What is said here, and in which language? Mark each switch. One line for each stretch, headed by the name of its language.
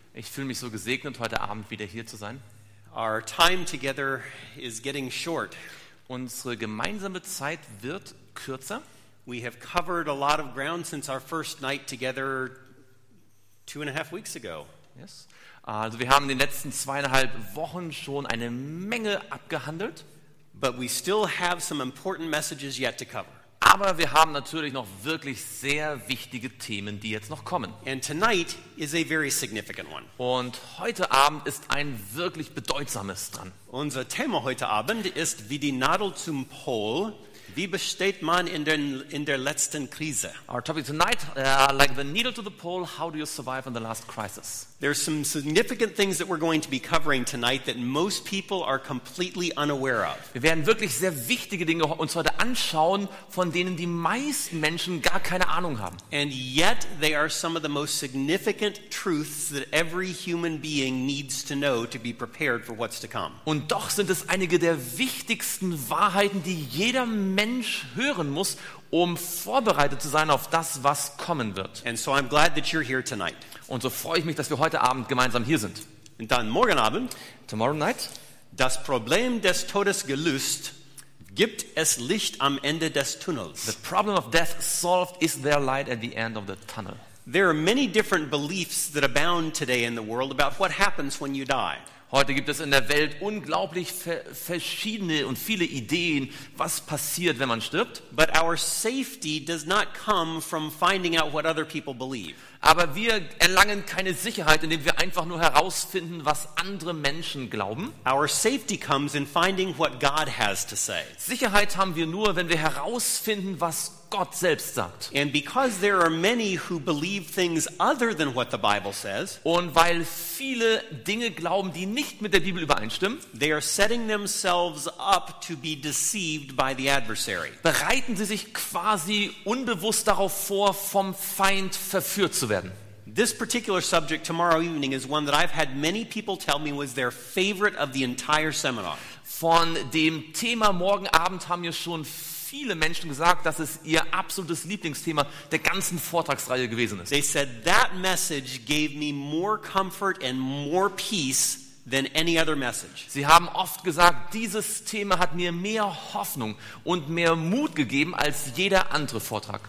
German: Ich fühle mich so gesegnet, heute Abend wieder hier zu sein.
English: Our time together is getting short.
German: Unsere gemeinsame Zeit wird kürzer.
English: We have covered a lot of ground since our first night together 2.5 weeks ago. Yes.
German: Also wir haben in den letzten 2.5 Wochen schon eine Menge abgehandelt.
English: But we still have some important messages yet to cover.
German: Aber wir haben natürlich noch wirklich sehr wichtige Themen, die jetzt noch kommen.
English: And tonight is a very significant one.
German: Und heute Abend ist ein wirklich bedeutsames dran. Unser Thema heute Abend ist wie die Nadel zum Pol. Wie besteht man in der letzten Krise?
English: Our topic tonight, like the needle to the pole, how do you survive in the last crisis? There are some significant things that we're going to be covering tonight that most people are completely unaware of.
German: Wir werden wirklich sehr wichtige Dinge uns heute anschauen, von denen die meisten Menschen gar keine Ahnung haben.
English: And yet they are some of the most significant truths that every human being needs to know to be prepared for what's to come.
German: Und doch sind es einige der wichtigsten Wahrheiten, die jeder Mensch hören muss, um vorbereitet zu sein auf das, was kommen wird.
English: And so I'm glad that you're here tonight.
German: Und so freue ich mich, dass wir heute Abend gemeinsam hier sind. Und dann morgen Abend.
English: Tomorrow night.
German: Das Problem des Todes gelöst, gibt es Licht am Ende des Tunnels.
English: The problem of death solved, is there light at the end of the tunnel? There are many different beliefs that abound today in the world about what happens when you die.
German: Heute gibt es in der Welt unglaublich verschiedene und viele Ideen, was passiert, wenn man stirbt.
English: But our safety does not come from finding out what other people believe.
German: Aber wir erlangen keine Sicherheit, indem wir einfach nur herausfinden, was andere Menschen glauben.
English: Our safety comes in finding what God has to say.
German: Sicherheit haben wir nur, wenn wir herausfinden, was Gott selbst sagt.
English: And because there are many who believe things other than what the Bible says,
German: und weil viele Dinge glauben, die nicht mit der Bibel übereinstimmen,
English: they are setting themselves up to be deceived by the adversary.
German: Bereiten sie sich quasi unbewusst darauf vor, vom Feind verführt zu werden.
English: This particular subject tomorrow evening is one that I've had many people tell me was their favorite of the entire seminar.
German: Von dem Thema morgen Abend haben wir schon viele Menschen gesagt, dass es ihr absolutes Lieblingsthema der ganzen Vortragsreihe gewesen ist.
English: They said that message gave me more comfort and more peace than any other message.
German: Sie haben oft gesagt, dieses Thema hat mir mehr Hoffnung und mehr Mut gegeben als jeder andere Vortrag.